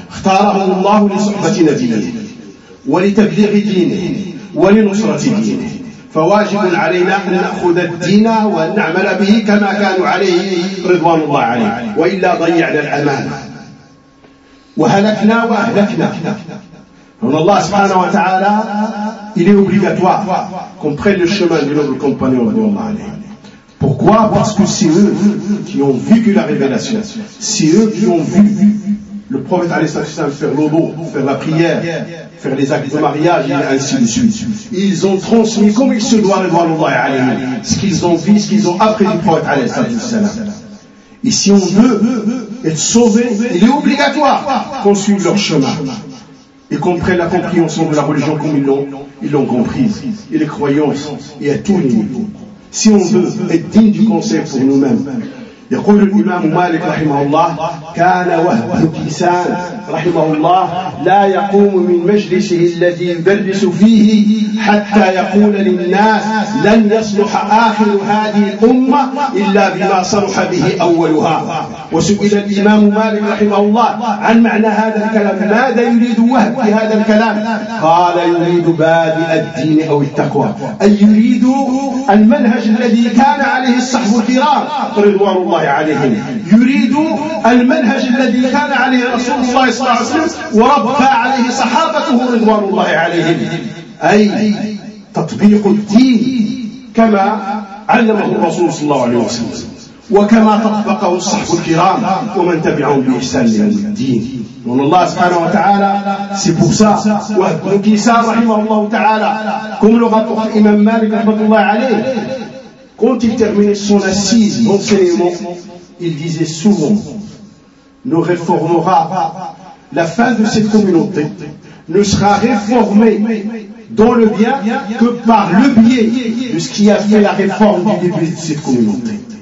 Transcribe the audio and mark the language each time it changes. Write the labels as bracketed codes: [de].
[ar] اختارهم الله لصحبة نبيه ولتبليغ دينه ولنصرة دينه، فواجب علينا أن نأخذ الدين وأن نعمل به كما كانوا عليه رضوان الله عليه، وإلا ضيعنا الأمانة وهلكنا وأهلكنا. فإن الله سبحانه وتعالى [fr] il est obligatoire qu'on prenne le chemin de nos compagnons رضوان الله عليه. Pourquoi? Parce que c'est eux qui ont vécu la révélation, c'est eux qui ont vu le prophète alayhi salatu wassalam faire l'obo, faire la prière, faire les actes de mariage et ainsi de suite. Ils ont transmis comme il se doit le voir Allah alayhi, ce qu'ils ont vu, ce qu'ils ont appris du prophète alayhi salatu wassalam. Et si on veut être sauvé, il est obligatoire qu'on suive leur chemin. et comprennent la compréhension de la religion comme ils l'ont comprise, et les croyances, et à tout niveau. Si on veut être digne du conseil pour nous-mêmes, [ar] يقول الإمام مالك رحمه الله كان وهب كيسان رحمه الله لا يقوم من مجلسه الذي يدرس فيه حتى يقول للناس لن يصلح آخر هذه الأمة إلا بما صلح به أولها. وسئل الإمام مالك رحمه الله عن معنى هذا الكلام، ماذا يريد وهب في هذا الكلام؟ قال يريد بادئ الدين أو التقوى، أي يريد المنهج الذي كان عليه الصحابة الكرام رضوان الله عليهم، يريد المنهج الذي كان عليه رسول الله صلى الله عليه وسلم وربى عليه صحابته رضوان الله عليهم، أي تطبيق الدين كما علمه الرسول صلى الله عليه وسلم وكما تطبقه الصحابة الكرام ومن تبعهم بإحسان إلى الدين. [fr] Donc Allah subhanahu wa ta'ala, c'est pour ça. Ibn Kisan rahimahullah ta'ala, comme le rapporte l'imam Malik rahmatullah alayh, quand il terminait son assise d'enseignement, il disait souvent, ne réformera pas la fin de cette communauté, ne sera réformée dans le bien que par le biais de ce qui a fait la réforme du début de cette communauté.